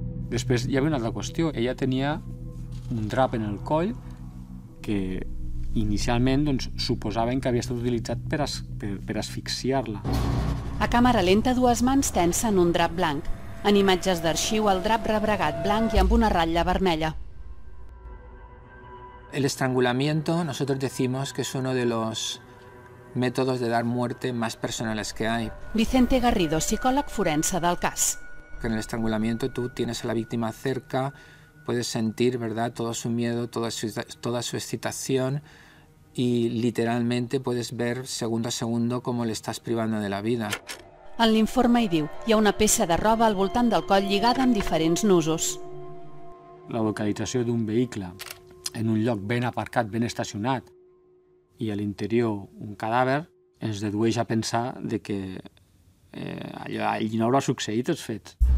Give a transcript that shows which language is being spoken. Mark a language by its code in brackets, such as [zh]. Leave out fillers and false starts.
[ca] Després hi havia una altra qüestió. Ella tenia un drap en el coll que inicialment doncs, suposaven que havia estat utilitzat per asfixiar-la. A càmera lenta, dues mans tensen un drap blanc. En imatges d'arxiu, el drap rebregat blanc i amb una ratlla vermella. [es] El estrangulamiento, nosotros decimos que es uno de los métodos de dar muerte más personales que hay. [ca] Vicente Garrido, psicòleg forense del cas. [es] Que en el estrangulamiento tú tienes a la víctima cerca, puedes sentir, ¿verdad?, todo su miedo, toda su excitación y literalmente puedes ver segundo a segundo cómo le estás privando de la vida. [ca] En l'informe hi diu, hi ha una peça de roba al voltant del coll lligada amb diferents nusos. La localització d'un vehicle en un lloc ben aparcat, ben estacionat, i a l'interior un cadàver, ens dedueix a pensar de que allí no haurà succeït els fets.